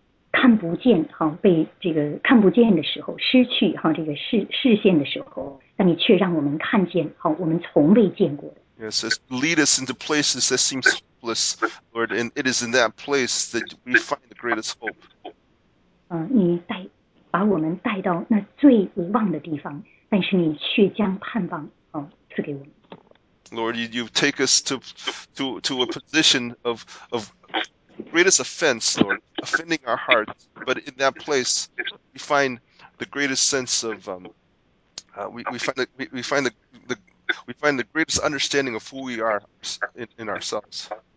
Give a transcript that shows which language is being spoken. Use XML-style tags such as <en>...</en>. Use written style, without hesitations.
<zh>看不见，被看不见的时候，失去视线的时候，但你却让我们看见，我们从未见过的。</zh> <en>Yes, lead us into places that seem hopeless, Lord, and it is in that place that we find the greatest hope.</en> <zh>你把我们带到那最无望的地方，但是你却将盼望赐给我们。Lord,</zh> <en>you take us to a position of greatest offense, Lord, offending our hearts, but in that place we find the greatest sense of we find the greatest understanding of who we are in ourselves.</en>